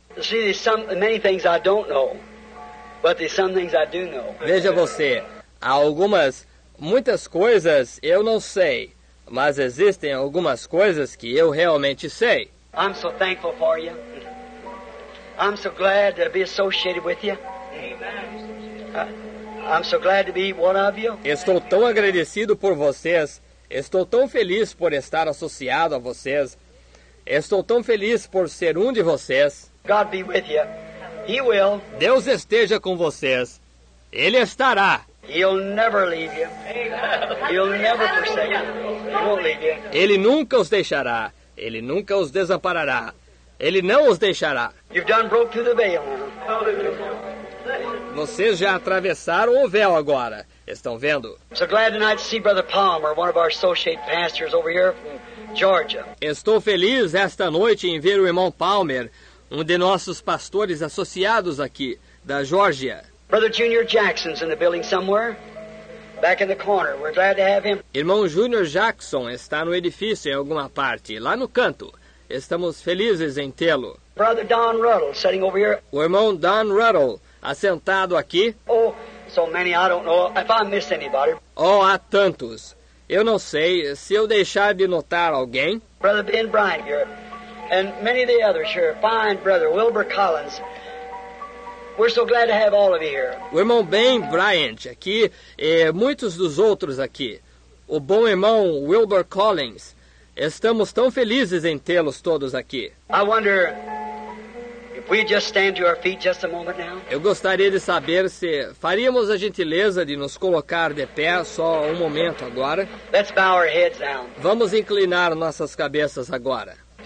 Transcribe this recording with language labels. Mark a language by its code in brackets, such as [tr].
[en] See, there's some many things I don't know, but there's some things I do know. [pt] Veja você, há algumas, muitas coisas eu não sei, mas existem algumas coisas que eu realmente sei. [en] I'm so thankful for you. I'm so glad to be associated with you. Amen. I'm so glad to be one of you. [pt] Estou tão agradecido por vocês. Estou tão feliz por estar associado a vocês. Estou tão feliz por ser um de vocês. [en] God be with you. He will. [pt] Deus esteja com vocês. Ele estará. [en] He'll never leave you. Amen. He'll never forsake you. He won't leave you. [pt] Ele nunca os deixará. Ele nunca os desamparará. Ele não os deixará. [en] You've done broke through the veil. [pt] Vocês já atravessaram o véu agora. Estão vendo? [en] So glad tonight to see Brother Palmer, one of our associate pastors over here from Georgia. [pt] Estou feliz esta noite em ver o irmão Palmer, um de nossos pastores associados aqui da Geórgia. [en] Brother Junior Jackson's in the building somewhere, back in the corner. We're glad to have him. [pt] Irmão Junior Jackson está no edifício em alguma parte, lá no canto. Estamos felizes em tê-lo. [en] Brother Don Ruddle, sitting over here. [pt] O irmão Don Ruddle, assentado aqui. [en] Oh, so many, I don't know if I miss anybody. [pt] Oh, há tantos. Eu não sei se eu deixar de notar alguém. [en] Brother Ben Bryant here. And many of the others here. Fine, brother Wilbur Collins. We're so glad to have all of you here. [pt] O irmão Ben Bryant aqui e muitos dos outros aqui. O bom irmão Wilbur Collins. Estamos tão felizes em tê-los todos aqui. [en] I wonder if we just stand to our feet just a moment now. [pt] Eu gostaria de saber se faríamos a gentileza de nos colocar de pé só um momento agora. [en] Let's bow our heads down. [pt] Vamos inclinar nossas cabeças agora.